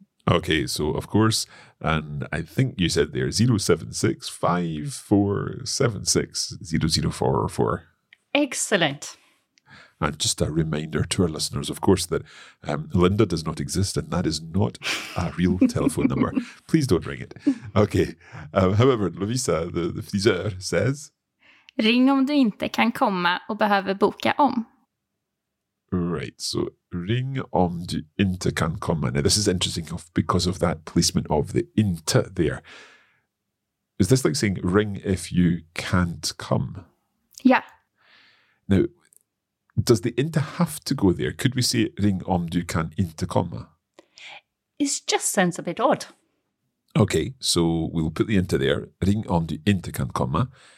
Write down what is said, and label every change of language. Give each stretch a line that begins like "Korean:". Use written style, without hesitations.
English: Okay, so of course, and I think you said there 076-5476-0044. Excellent. And just a reminder to our listeners, of course, that Linda does not exist and that is not a real telephone number. Please don't ring it. Okay. However, Lovisa, the frisör, says...
Swedish: Ring om du inte kan komma och behöver boka om.
English: Right.
Swedish: So, ring om du inte kan komma.
English: Now, this is interesting because of that placement of the inte there. Is this like saying ring if you can't come? Yeah. Now... Does the inte have to go there? Could we say
Swedish: ring om du kan inte komma?
English: It just sounds a bit odd. Okay, so we'll put the inte there.
Swedish: Ring om du inte kan komma.